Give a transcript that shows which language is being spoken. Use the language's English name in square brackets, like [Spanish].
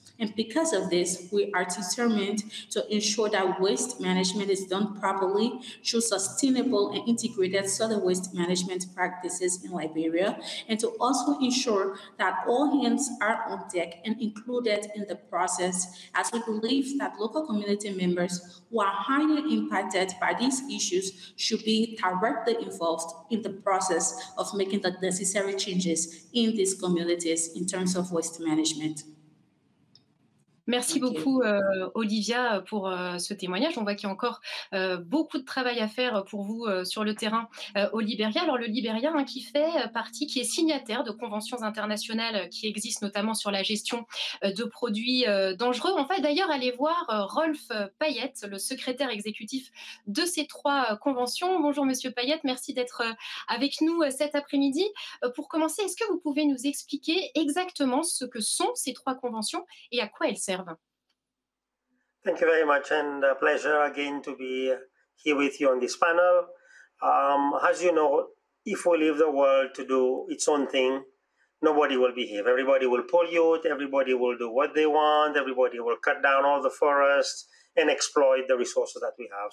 [English] And because of this, we are determined to ensure that waste management is done properly through sustainable and integrated solid waste management practices in Liberia, and to also ensure that all hands are on deck and included in the process, as we believe that local community members who are highly impacted by these issues should be directly involved in the process of making the necessary changes in these communities in terms of waste management. [French] Merci beaucoup, Olivia, pour ce témoignage. On voit qu'il y a encore beaucoup de travail à faire pour vous sur le terrain au Libéria. Alors, le Libéria, hein, qui fait partie, qui est signataire de conventions internationales qui existent notamment sur la gestion de produits dangereux. On va d'ailleurs aller voir Rolf Payet, le secrétaire exécutif de ces trois conventions. Bonjour, monsieur Payet. Merci d'être avec nous cet après-midi. Pour commencer, est-ce que vous pouvez nous expliquer exactement ce que sont ces trois conventions et à quoi elles [English] Thank you very much, and a pleasure again to be here with you on this panel. As you know, if we leave the world to do its own thing, nobody will behave. Everybody will pollute, everybody will do what they want, everybody will cut down all the forests and exploit the resources that we have.